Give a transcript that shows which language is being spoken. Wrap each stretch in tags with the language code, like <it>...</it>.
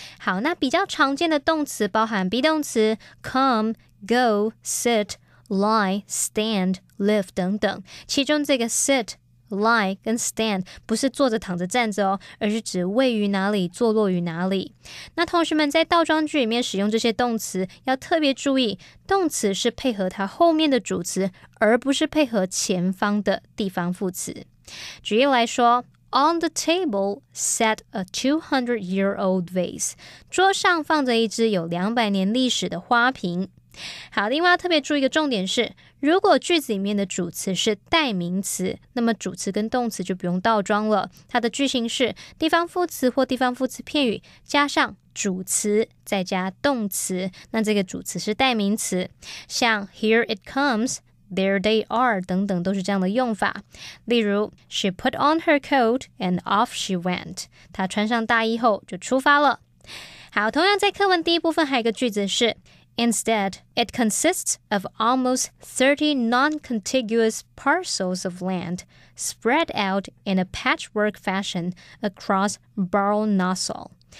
<zh>好，那比较常见的动词包含 be 动词 come, go, sit,lie, stand, live 等等，其中这个 sit, lie 跟 stand 不是坐着躺着站着哦，而是指位于哪里，坐落于哪里。那同学们在倒装句里面使用这些动词，要特别注意，动词是配合它后面的主词，而不是配合前方的地方副词。举例来说</zh> <en>On the table sat a 200-year-old vase.</en> <zh>桌上放着一只有200年历史的花瓶。好，另外要特别注意一个重点是，如果句子里面的主词是代名词，那么主词跟动词就不用倒装了。它的句型是地方副词或地方副词片语加上主词再加动词，那这个主词是代名词。像</zh> <en>here it comes,There they are,</en> <zh>等等都是这样的用法。例如</zh> <en>She put on her coat and off she went.</en> <zh>她穿上大衣后就出发了。好，同样在课文第一部分还有一个句子是</zh> <en>Instead, it consists of almost 30 non-contiguous parcels of land spread out in a patchwork fashion across Baarle-Nassau.</en>